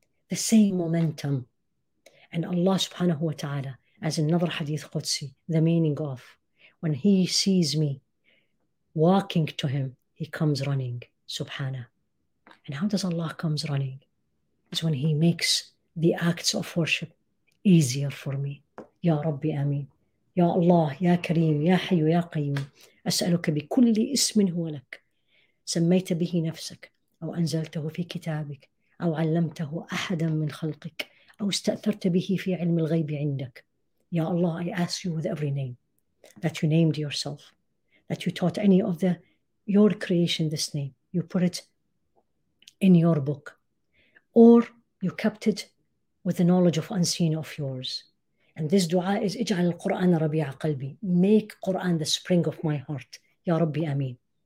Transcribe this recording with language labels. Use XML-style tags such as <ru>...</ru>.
<en>The same momentum. And Allah subhanahu wa ta'ala, as in another hadith Qudsi, the meaning of, when he sees me walking to him, he comes running, subhana. And how does Allah comes running? It's when he makes the acts of worship easier for me. Ya Rabbi, Ameen. Ya Allah, Ya Kareem, Ya Hayyu, Ya Qayyum.</en> <ar>أسألك بكل اسم هو لك سميت به نفسك أو أنزلته في كتابك أو علمته أحدا من خلقك أو استأثرت به في علم الغيب عندك.</ar> <en>Ya Allah, I ask you with every name that you named yourself, that you taught any of the your creation this name. You put it in your book or you kept it with the knowledge of unseen of yours. And this dua is</en> <ar>اجعل القرآن ربيع قلبي.</ar> <en>Make Quran the spring of my heart. Ya Rabbi, Ameen.</en>